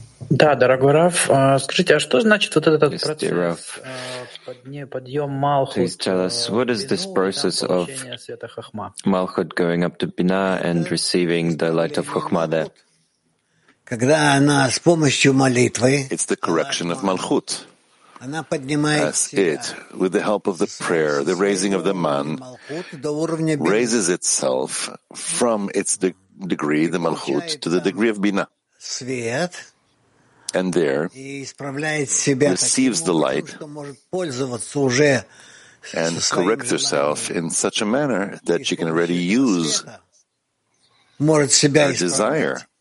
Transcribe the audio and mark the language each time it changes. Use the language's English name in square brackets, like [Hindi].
[Russian] Да, дорогой Рав, скажите, а что значит вот этот процесс подъем Малхут? [English] Please tell us, what is this process of Malchut going up to Bina and receiving the light of Chokhmah there? [Russian] Когда она с помощью молитвы... [English] It's the correction of Malchut. As it, with the help of the prayer, the raising of the man, raises itself from its degree, the Malchut, to the degree of Bina. [Russian] Свет... [English] And there receives the light and corrects herself in such a manner that she can already use her desire.